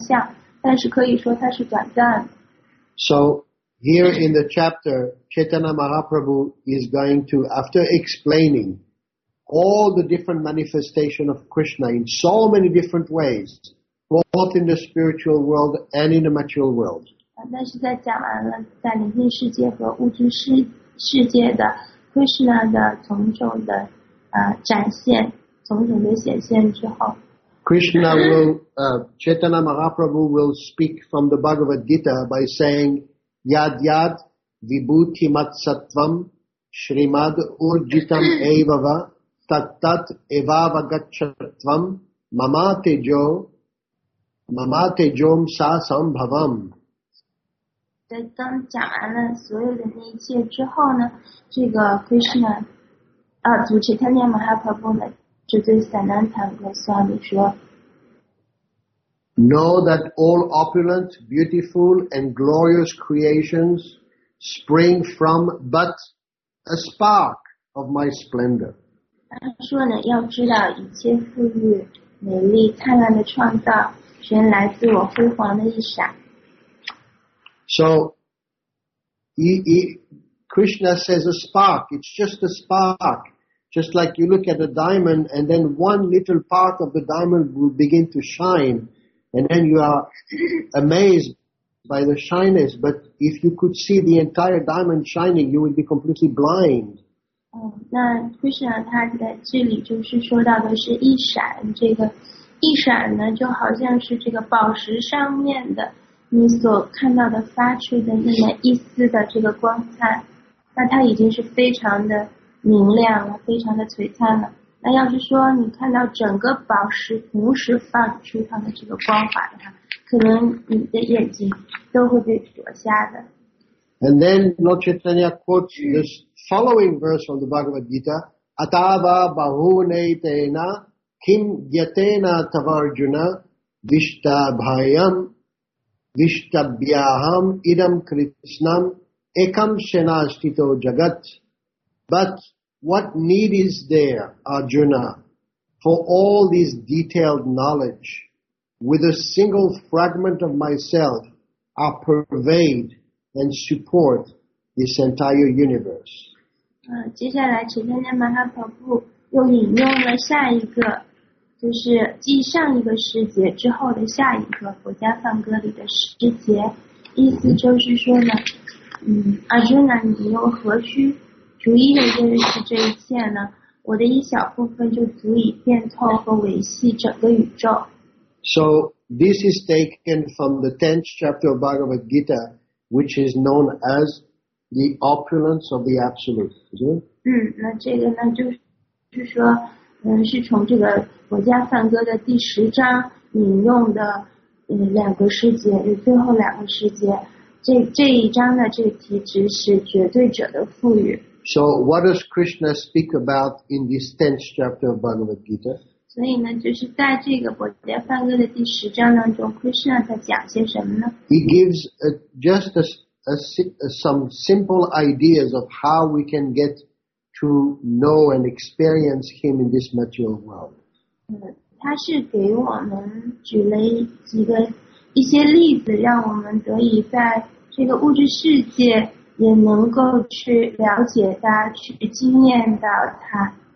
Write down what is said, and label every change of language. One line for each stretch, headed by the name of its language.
Chinese: 另外一个，这个物质世界也并非是一个幻象，但是可以说它是短暂。
English: So here in the chapter, Chaitanya Mahaprabhu is going to, after explaining all the different manifestation of Krishna in so many different ways, both in the spiritual world and in the material world.
Chinese: 但是在讲完了在灵性世界和物质世界的 Krishna 的种种的展现，种种的显现之后，
English: Krishna will, Chaitanya Mahaprabhu will speak from the Bhagavad Gita by saying,
Sanskrit: Yad Yad vibhuti matsattvam shrimad urjitam evava tattat evava gacchatvam mamatejom sa sambhavam。
Chinese: 在当讲完了所有的那一切之后呢，这个 Krishna 啊，主持他念 Mahaprabhu 呢，就对 Sanatana Goswami 说
English: ：“Know that all opulent, beautiful, and glorious creations spring from but a spark of my splendor。”
Chinese: 他说呢，要知道一切富裕、美丽、灿烂的创造，全来自我辉煌的一闪。
English: So, he, Krishna says a spark, it's just a spark. Just like you look at a diamond and then one little part of the diamond will begin to shine and then you are amazed by the shininess. But if you could see the entire diamond shining, you would be completely blind.
Chinese: Oh, 那 Krishna 他在这里就是说到的是一闪，这个一闪呢就好像是这个宝石上面的你所看到的发出的那么一丝的这个光彩，那它已经是非常的明亮了，非常的璀璨了。那要是说你看到整个宝石同时放出它的这个光华的话，可能你的眼睛都会被灼瞎的。
English: And then Lord Chaitanya quotes this following verse from the Bhagavad Gita:
Sanskrit: Atava bahune tena kim yatena tavarjuna vishta bhayam. Vishtabhyaham idam krishnam ekam shenashtito jagat.
English: But what need is there, Arjuna, for all this detailed knowledge? With a single fragment of myself, I pervade and support this entire universe.
Chinese: 接下来齐天念马哈婆布又引用了下一个就是继上一个诗节之后的下一个佛家梵歌里的诗节，意思就是说呢，Arjuna， 你又何须逐一的认识这一切呢？我的一小部分就足以变透和维系整个宇宙。
English: So this is taken from the 10th chapter of Bhagavad Gita, which is known as the opulence of the absolute.
Chinese: 那这个呢，就是说。是从这个佛家梵歌的第十章引用的两个诗节，最后两个诗节，这一章的这个题旨是绝对者的富裕。
English: So what does Krishna speak about in this 10th chapter of Bhagavad Gita?
Chinese: 所以呢，就是在这个佛家梵歌的第十章当中 ，Krishna 在讲些什么呢
English: ？He gives some simple ideas of how we can get. To know and experience him in this material world.
Chinese: 他是给我们举了一些例子，让我们得以在这个物质世界也能够去了解他，去经验到他。